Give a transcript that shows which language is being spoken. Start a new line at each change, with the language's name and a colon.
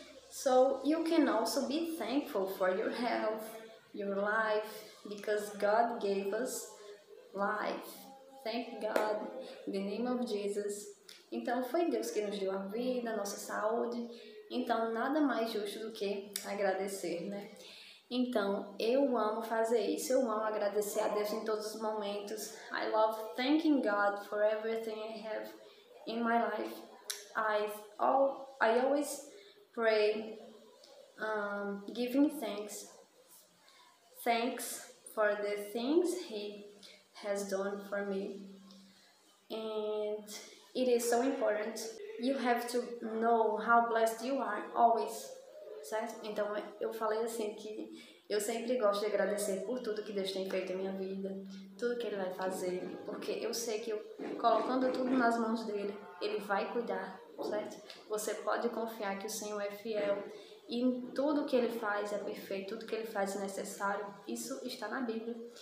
English: So, you can also be thankful for your health, your life, because God gave us life. Thank God, in the name of Jesus.
Portuguese: Então, foi Deus que nos deu a vida, a nossa saúde, então nada mais justo do que agradecer, né? Então, eu amo fazer isso, eu amo agradecer a Deus em todos os momentos.
English: I love thanking God for everything I have in my life. I always pray giving thanks. Thanks for the things He has done for me. And it is so important. You have to know how blessed you are always.
Portuguese: Certo? Então, eu falei assim que eu sempre gosto de agradecer por tudo que Deus tem feito na minha vida, tudo que Ele vai fazer, porque eu sei que colocando tudo nas mãos dEle, Ele vai cuidar, certo? Você pode confiar que o Senhor é fiel e tudo que Ele faz é perfeito, tudo que Ele faz é necessário, isso está na Bíblia.